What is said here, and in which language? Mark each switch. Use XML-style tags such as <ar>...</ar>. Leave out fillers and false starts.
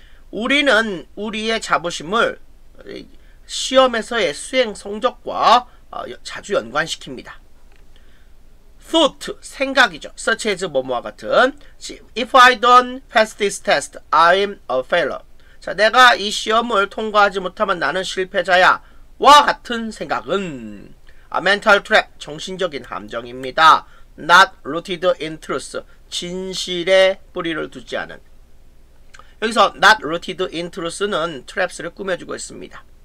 <ko>우리는 우리의 자부심을 시험에서의 수행 성적과 자주 연관시킵니다. thought, 생각이죠. such as 뭐뭐와 같은.</ko> <en>If I don't pass this test, I'm a failure.</en> <ko>자, 내가 이 시험을 통과하지 못하면 나는 실패자야. 와 같은 생각은.</ko> <en>A mental trap,</en> <ko>정신적인 함정입니다.</ko> <en>Not rooted in truth,</en> <ko>진실에 뿌리를 두지 않은. 여기서</ko> <en>not rooted in truth</en> <ko>는 traps를 꾸며주고 있습니다.</ko>